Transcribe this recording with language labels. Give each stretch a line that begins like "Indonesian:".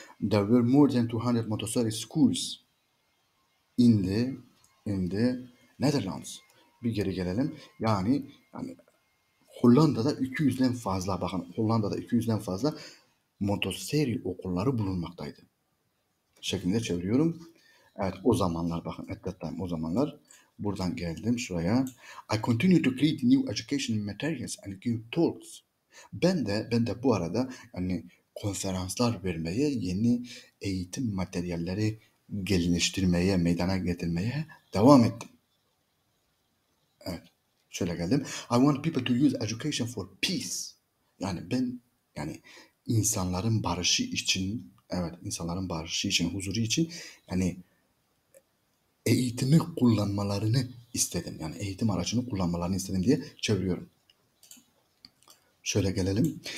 English: There were more than 200 Montessori schools in the Netherlands.
Turkish: Bir geri gelelim. Yani Hollanda'da 200'den fazla, bakın Hollanda'da 200'den fazla Montessori okulları bulunmaktaydı. Şeklinde çeviriyorum. Evet, o zamanlar bakın
English: at that time,
Turkish: o zamanlar buradan geldim şuraya.
English: I continue to create new education materials and give talks.
Turkish: Ben de bu arada yani konferanslar vermeye, yeni eğitim materyalleri geliştirmeye, meydana getirmeye devam ettim. Evet, şöyle geldim.
English: I want people to use education for peace.
Turkish: Yani insanların barışı için, evet, insanların barışı için, huzuru için yani eğitimi kullanmalarını istedim. Yani eğitim aracını kullanmalarını istedim diye çeviriyorum. Şöyle gelelim.